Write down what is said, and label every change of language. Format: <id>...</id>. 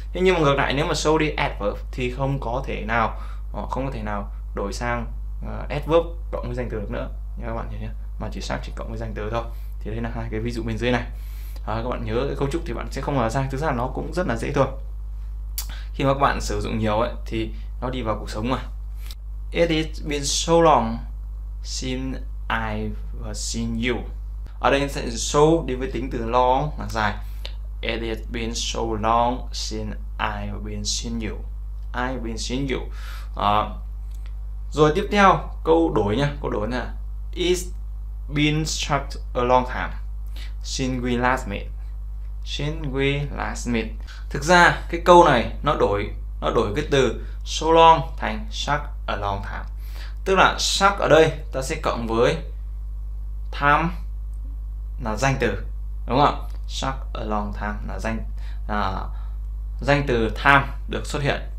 <vi>Thế nhưng mà ngược lại, nếu mà sâu đi adverb thì không có thể nào đổi sang adverb cộng với danh từ được nữa, như các bạn hiểu nhé, mà chỉ sắc chỉ cộng với danh từ thôi. Thì đây là hai cái ví dụ bên dưới này. Các bạn nhớ cái cấu trúc thì bạn sẽ không ngờ ra, thực ra nó cũng rất là dễ thôi. Khi mà các bạn sử dụng nhiều ấy thì nó đi vào cuộc sống mà.</vi> <en>It has been so long since I've seen you.</en> <vi>Ở đây sẽ so đi với tính từ long là dài.</vi> <en>It has been so long since I've been seen you. I've been seen you.</en> <vi>Rồi tiếp theo câu đổi nha, câu đổi nha.</vi> <en>It's been such a long time since we last met. Since we last met.</en> <vi>Thực ra cái câu này nó đổi cái từ</vi> <en>so long</en> <vi>thành</vi> <en>such a long time.</en> <vi>Tức là such ở đây ta sẽ cộng với time là danh từ, đúng không?</vi> <en>Such a long time</en> <vi>là danh từ time được xuất hiện.</vi>